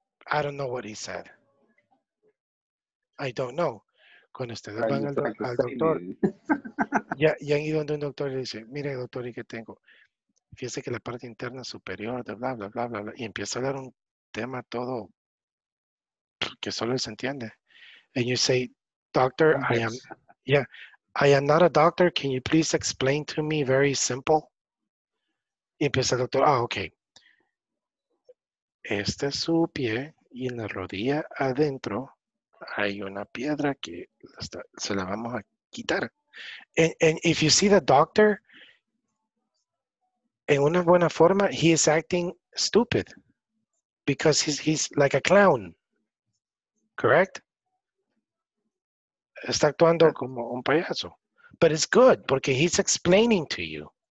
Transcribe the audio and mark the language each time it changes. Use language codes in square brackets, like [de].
[en] I don't know what he said. I don't know. [es] Cuando ustedes van al doctor, ya han ido donde un doctor le dice, mire doctor, ¿y qué tengo? Fíjese que la parte interna superior, de bla, bla, bla, bla, bla, y empieza a hablar un tema todo que solo se entiende. [en] And you say, doctor, I am not a doctor. Can you please explain to me very simple? [es] Y empieza el doctor, [en] okay. [es] Este es su pie y en la rodilla adentro, hay una piedra que se la vamos a quitar. [en] And if you see the doctor, [es] en una buena forma, [en] he is acting stupid because he's like a clown, correct? [es] Está actuando como un payaso. [en] But it's good [es] porque [en] he's explaining to you.